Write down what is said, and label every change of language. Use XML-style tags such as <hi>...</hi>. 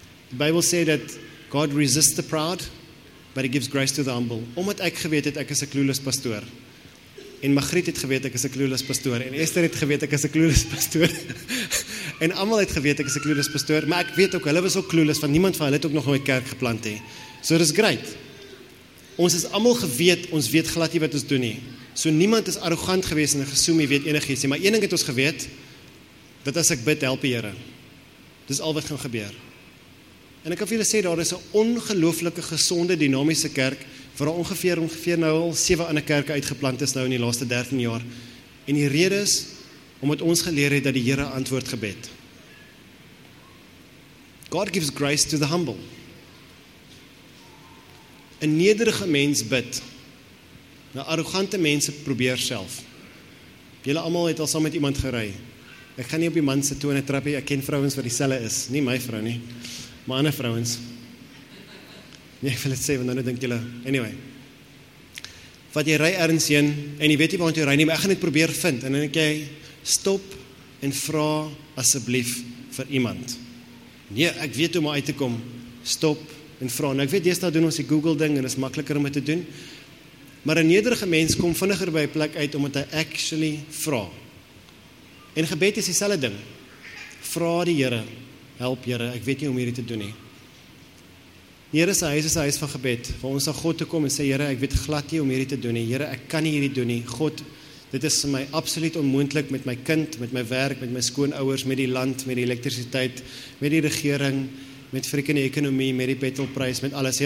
<en>The Bible says that God resists the proud, but he gives grace to the humble.</en> <af>Omdat ek geweet het, ek is een clueless pastoor. En Magriet het geweet, ek is een clueless pastoor. En Esther het geweet, ek is een clueless pastoor. En allemaal het geweet, ek is een clueless pastoor. Maar ek weet ook, hulle was ook clueless, want niemand van hulle het ook nog nooit kerk geplant. So dit is great. Ons is allemaal geweet, ons weet glad nie wat ons doen nie. So niemand is arrogant geweest en gesoem, jy weet enig iets. Maar een ding het ons geweet, dat as ek bid, help die Here. Dit is al wat gaan gebeur. En ek kan vir julle sê, daar is een ongelooflike, gesonde, dynamische kerk, waar ongeveer nou al 7 ander kerke uitgeplant is nou in die laaste 13 jaar. En die rede is, omdat ons geleer het dat die Here antwoord gebed.</af> <en>God gives grace to the humble.</en> <af>Een nederige mens bid, maar arrogante mense probeer self. Julle allemaal het al saam met iemand gery. Ek gaan nie op die man se tone trap nie, ek ken vrouwens wat die selle is, nie my vrou nie, maar ander vrouwens. Nee, ek wil dit sê, want dan dink julle, anyway. Wat jy ry ergens heen, en jy weet nie waar jy ry nie, maar ek gaan dit probeer vind, en dan ek jy, stop en vra asseblief vir iemand. Nee, ek weet hoe om uit te kom, stop en vra. Nou ek weet, deesdae doen ons die Google ding, en is makkeliker om het te doen, maar een nederige mens kom vinniger by plek uit, omdat hy actually vra. En gebed is dieselfde ding. Vra die Here, help Here, ek weet nie hoe om hierdie te doen nie. Die Here se huis is 'n huis van gebed, waar ons aan God toe kom en sê, Here, ek weet glad nie hoe om hierdie te doen nie. Here, ek kan nie hierdie doen nie. God, dit is vir my absoluut onmoontlik met my kind, met my werk, met my skoonouers, met die land, met die elektrisiteit, met die regering, met freaking die ekonomie, met die petrolprys, met alles.</af>